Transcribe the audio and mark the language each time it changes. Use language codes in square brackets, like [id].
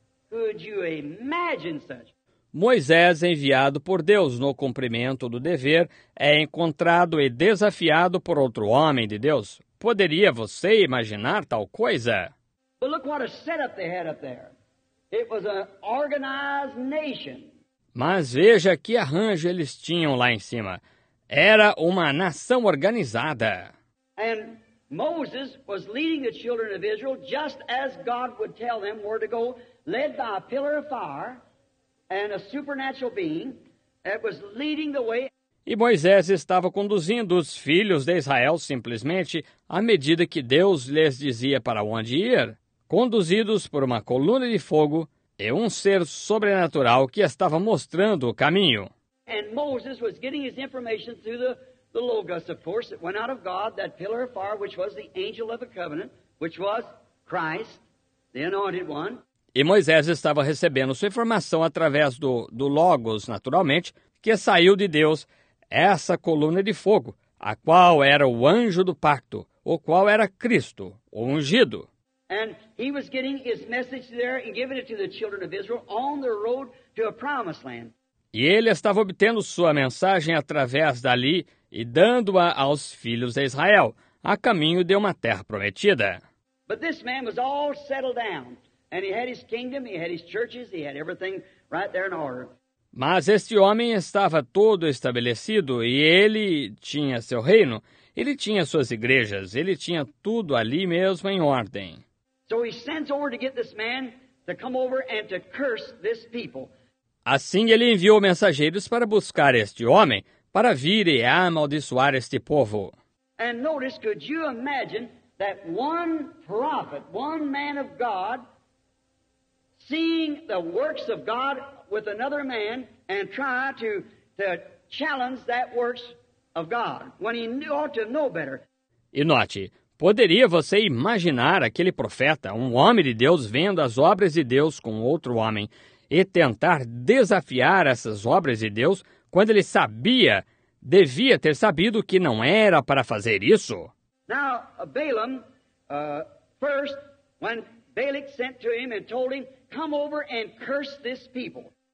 [en] Could you imagine such? [pt] Moisés, enviado por Deus no cumprimento do dever, é encontrado e desafiado por outro homem de Deus. Poderia você imaginar tal coisa? [en] But look what a setup they had up there. It was an organized nation. [pt] Mas veja que arranjo eles tinham lá em cima. Era uma nação organizada. [en] And Moses was leading the children of Israel just as God would tell them where to go, led by a pillar of fire and a supernatural being that was leading the way. [pt] E Moisés estava conduzindo os filhos de Israel simplesmente à medida que Deus lhes dizia para onde ir, conduzidos por uma coluna de fogo e um ser sobrenatural que estava mostrando o caminho. [en] And Moses was getting his information through the Logos, of course, that went out of God, that pillar of fire, which was the angel of the covenant, which was Christ, the anointed one. [pt] E Moisés estava recebendo sua informação através do Logos, naturalmente, que saiu de Deus, essa coluna de fogo, a qual era o anjo do pacto, o qual era Cristo, o ungido. [en] And he was getting his message there and giving it to the children of Israel on the road to a promised land. [pt] E ele estava obtendo sua mensagem através dali e dando-a aos filhos de Israel, a caminho de uma terra prometida. [en] But this man was all settled down, and he had his kingdom, he had his churches, he had everything right there in order. [pt] Mas este homem estava todo estabelecido e ele tinha seu reino, ele tinha suas igrejas, ele tinha tudo ali mesmo em ordem. [en] So he sends over to get this man to come over and to curse this people. [pt] Assim, ele enviou mensageiros para buscar este homem, para vir e amaldiçoar este povo. [en] And notice, could you imagine that one prophet, one man of God, seeing the works of God with another man and try to challenge that works of God when he ought to know better. [pt] E note, poderia você imaginar aquele profeta, um homem de Deus, vendo as obras de Deus com outro homem e tentar desafiar essas obras de Deus quando ele sabia, devia ter sabido que não era para fazer isso? [en] Now, Balaam, first, when Balak sent to him and told him, come over and curse this people.